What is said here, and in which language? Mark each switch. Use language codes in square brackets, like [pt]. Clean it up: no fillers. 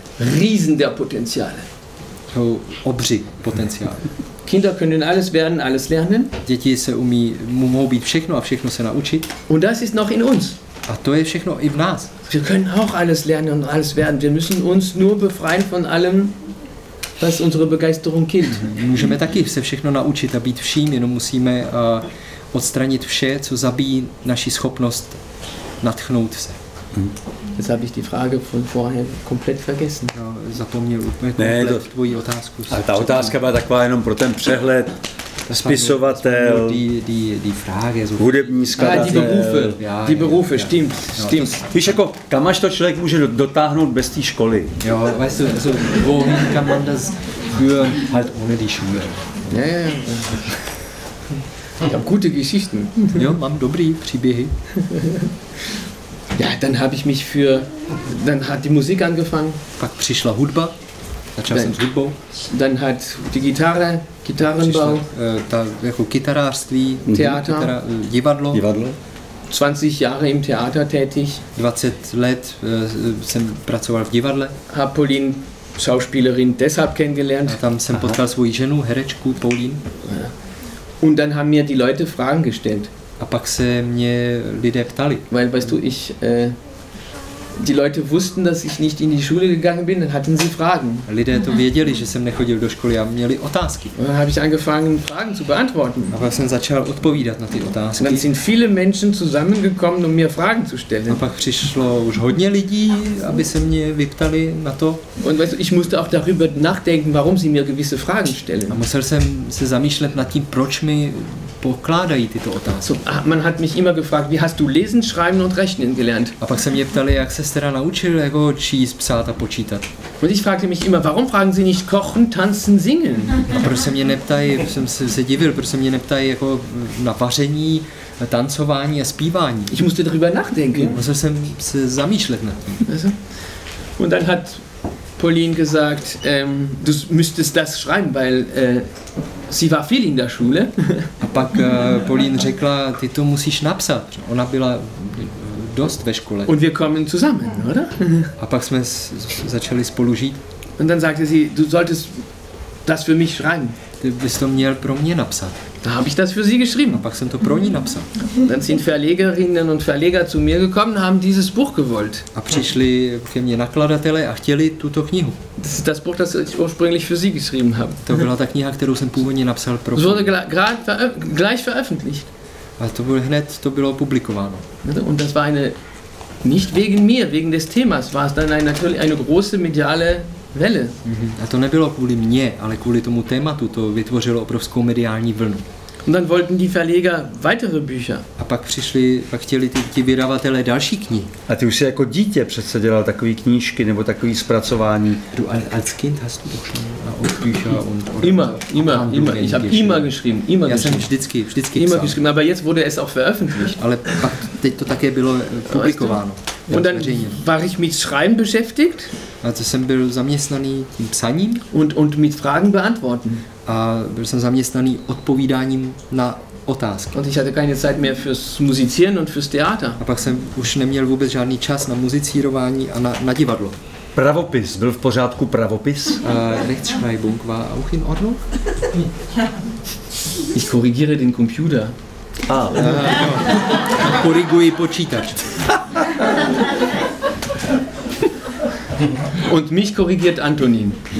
[de] Riesen der Potenziale. [cs] Jsou obří potenciály. [de] Kinder können alles werden, alles lernen. [cs] Děti se umí, mohou být všechno a všechno se naučit. [de] Und das ist noch in uns. [cs] A to je všechno i v nás. [de] Wir können auch alles lernen und alles werden. Wir müssen uns nur befreien von allem, was unsere Begeisterung killt. [cs] Můžeme taky se všechno naučit a být vším, jenom musíme odstranit vše, co zabíjí naši schopnost natchnout se. [de] Jetzt habe ich die Frage von vorher komplett vergessen. [cs] Zapomněl úplně komplet tvoji otázku. A ta otázka byla taková jenom pro ten přehled. Spisovatel, [de] die Frage, so [cs] hudební skladatel. [de] Die Berufe, ja, die Berufe, ja. Stimmt. [cs] Víš, jako, kam až to člověk může dotáhnout bez té školy? [de] Jo, weißt du, so, wohin kann man das führen, halt ohne die Schule. Ja. Ich habe gute Geschichten. [cs] Jo, mám dobrý příběhy. [de] Ja, dann habe ich mich für, dann hat die Musik angefangen. [cs] Pak přišla hudba, začal jsem s hudbou. [de] Dann hat die Gitarre, Gitarrenbau. [cs] Jako kytarářství, [de] Theater, [cs] divadlo. [de] 20 Jahre im Theater tätig. [cs] 20 let jsem pracoval v divadle. [de] Hab Pauline, Schauspielerin, deshalb kennengelernt. [cs] A tam jsem potkal svou ženu, herečku Pauline. [de] Und dann haben mir die Leute Fragen gestellt. [cs] A pak se mě lidé ptali. [de] Weil, weißt du, ich, die Leute wussten, dass ich nicht in die Schule gegangen bin, dann hatten sie Fragen. [cs] Lidé to věděli, že jsem nechodil do školy a měli otázky. [de] Und dann habe ich angefangen, Fragen zu beantworten. [cs] A pak jsem začal odpovídat na ty otázky. [de] Dann sind viele Menschen zusammengekommen, um mir Fragen zu stellen. [cs] A pak přišlo už hodně lidí, aby se mě vyptali na to. [de] Und weißt du, ich musste auch darüber nachdenken, warum sie mir gewisse Fragen stellen. [cs] A musel jsem se zamýšlet nad tím, proč mi pokládají tyto otázky. [de] So, a man hat mich immer gefragt, wie hast du lesen, schreiben und rechnen gelernt? [cs] A pak se mě ptali, jak ses teda naučil jako číst, psát a počítat. [de] Und ich fragte mich immer, warum fragen sie nicht kochen, tanzen, singen? [cs] A proč se mě neptají, jsem se divil, proč se mě neptají jako na vaření, tancování a zpívání. [de] Ich musste darüber nachdenken. [cs] Musel jsem se zamýšlet nad tím. [de] Und dann hat Pauline gesagt, du müsstest das schreiben, weil sie war viel in der Schule. [cs] A pak Pauline řekla, ty to musíš napsat. Ona byla dost ve škole. [de] Und wir kommen zusammen, oder? [cs] A pak jsme začali spolu žít. [de] Und dann sagte sie, du solltest das für mich schreiben. [cs] Ty bys to měl pro mě napsat. [de] Da habe ich das für sie geschrieben. [cs] A pak jsem to pro ní napsal. [de] Dann sind Verlegerinnen und Verleger zu mir gekommen, haben dieses Buch gewollt. [cs] A přišli ke mně nakladatelé a chtěli tuto knihu. [de] Das ist das Buch, das ich ursprünglich für sie geschrieben habe. [cs] To byla ta kniha, kterou jsem původně napsal pro. [de] Wurde gleich veröffentlicht. [cs] A to bylo hned, to bylo publikováno. [de] Und das war eine nicht wegen mir, wegen des Themas, war es dann eine, natürlich eine große mediale Welle. [cs] A to nebylo kvůli mně, ale kvůli tomu tématu, to vytvořilo obrovskou mediální vlnu. [de] Und dann wollten die Verleger weitere Bücher. [cs] A pak přišli, pak chtěli ty vydavatelé další knihy. A ty už jsi jako dítě přece dělal takový knížky nebo takový zpracování. [de] Du als Kind hast du auch schon Bücher und immer. Ich habe immer geschrieben, immer. [cs] Já jsem vždycky [de] immer geschrieben, aber jetzt wurde es auch veröffentlicht. [cs] Ale pak teď to také bylo publikováno. [de] Und dann war ich mit Schreiben beschäftigt. [cs] Also jsem byl zaměstnaný tím psaním. [de] Und mit Fragen beantworten. [cs] A byl jsem zaměstnaný odpovídáním na otázky. [de] Und ich hatte keine Zeit mehr fürs Musizieren und fürs Theater. [cs] A pak jsem už neměl vůbec žádný čas na muzicírování a na divadlo. Pravopis, byl v pořádku pravopis? [de] Rechtschreibung war auch in Ordnung. Ich korrigiere den Computer. Ah. [cs] A koriguji počítač. [de] Und mich korrigiert Antonin.